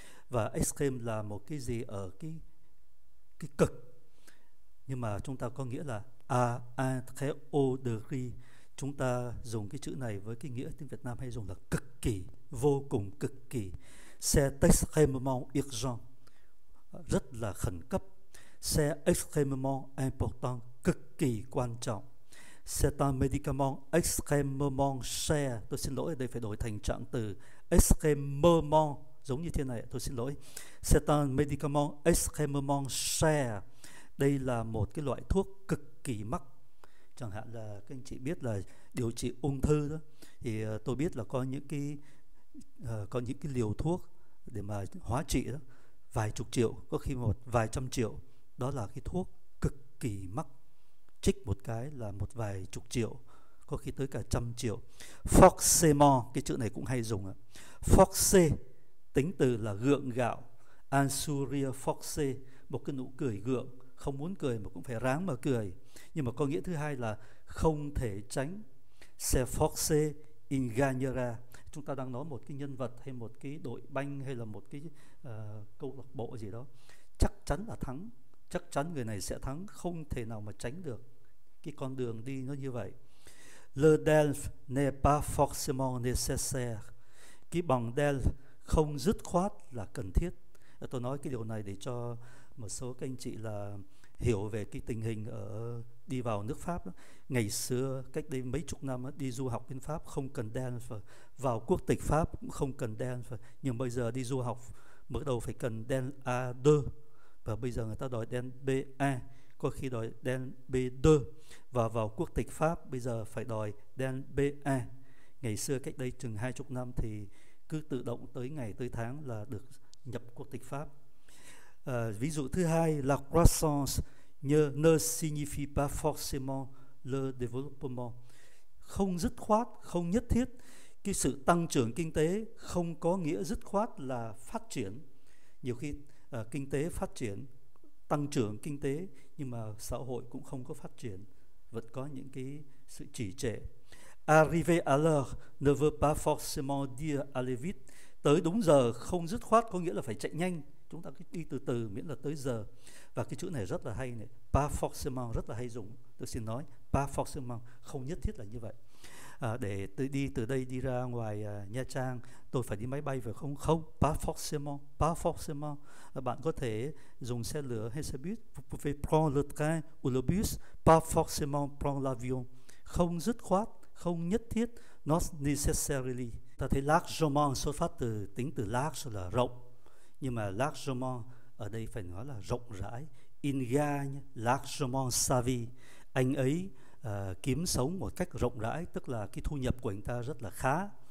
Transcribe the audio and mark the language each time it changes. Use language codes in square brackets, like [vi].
[vi] Và extrême là một cái gì ở cái cực, nhưng mà chúng ta có nghĩa là à, [fr] très haut degré. [vi] Chúng ta dùng cái chữ này với cái nghĩa tiếng Việt Nam hay dùng là cực kỳ, vô cùng cực kỳ. [fr] C'est extrêmement urgent, [vi] rất là khẩn cấp. [fr] C'est extrêmement important, [vi] cực kỳ quan trọng. [fr] C'est un médicament extrêmement cher. [vi] Tôi xin lỗi, đây phải đổi thành trạng từ extrêmement, giống như thế này, tôi xin lỗi. [fr] C'est un médicament extrêmement cher. [vi] Đây là một cái loại thuốc cực kỳ mắc. Chẳng hạn là các anh chị biết là điều trị ung thư đó, thì tôi biết là có những cái liều thuốc để mà hóa trị đó, vài chục triệu, có khi một vài trăm triệu. Đó là cái thuốc cực kỳ mắc, chích một cái là một vài chục triệu, có khi tới cả trăm triệu. Forcément, cái chữ này cũng hay dùng ạ. Forcé, tính từ là gượng gạo. [fr] Un sourire forcé, [vi] một cái nụ cười gượng, không muốn cười mà cũng phải ráng mà cười. Nhưng mà có nghĩa thứ hai là không thể tránh. [fr] C'est forcé ingagnera. [vi] Chúng ta đang nói một cái nhân vật hay một cái đội banh hay là một cái câu lạc bộ gì đó, chắc chắn là thắng, chắc chắn người này sẽ thắng, không thể nào mà tránh được. Cái con đường đi nó như vậy. [fr] Le delf n'est pas forcément nécessaire. [vi] Cái bằng delf không dứt khoát là cần thiết. Tôi nói cái điều này để cho một số các anh chị là hiểu về cái tình hình ở đi vào nước Pháp đó. Ngày xưa cách đây mấy chục năm đó, đi du học bên Pháp không cần delf, vào quốc tịch Pháp cũng không cần delf, nhưng bây giờ đi du học mới đầu phải cần delf A2, và bây giờ người ta đòi delf BA, có khi đòi delf B2, và vào quốc tịch Pháp bây giờ phải đòi delf BA. Ngày xưa cách đây chừng 20 năm thì cứ tự động tới ngày tới tháng là được nhập quốc tịch Pháp. Ví dụ thứ hai là [fr] croissance ne signifie pas forcément le développement. [vi] Không dứt khoát, không nhất thiết. Cái sự tăng trưởng kinh tế không có nghĩa dứt khoát là phát triển. Nhiều khi kinh tế phát triển, tăng trưởng kinh tế, nhưng mà xã hội cũng không có phát triển, vẫn có những cái sự trì trệ. [fr] Arriver à l'heure ne veut pas forcément dire aller vite. [vi] Tới đúng giờ không dứt khoát có nghĩa là phải chạy nhanh. Chúng ta cứ đi từ từ miễn là tới giờ. Và cái chữ này rất là hay này, [fr] pas forcément, [vi] rất là hay dùng. Tôi xin nói, pas forcément, không nhất thiết là như vậy. Để tôi đi từ đây đi ra ngoài Nha Trang, tôi phải đi máy bay phải không? Không, [fr] pas forcément, pas forcément. [vi] Bạn có thể dùng xe lửa hay xe buýt. [fr] Vous pouvez prendre le train ou le bus, pas forcément prendre l'avion. [vi] Không dứt khoát, không nhất thiết, [en] not necessarily. [vi] Ta thấy largement xuất phát từ tính từ large là rộng. Nhưng mà largement ở đây phải nói là rộng rãi. [fr] Ingagne, largement sa vie. [vi] Anh ấy kiếm sống một cách rộng rãi, tức là cái thu nhập của anh ta rất là khá.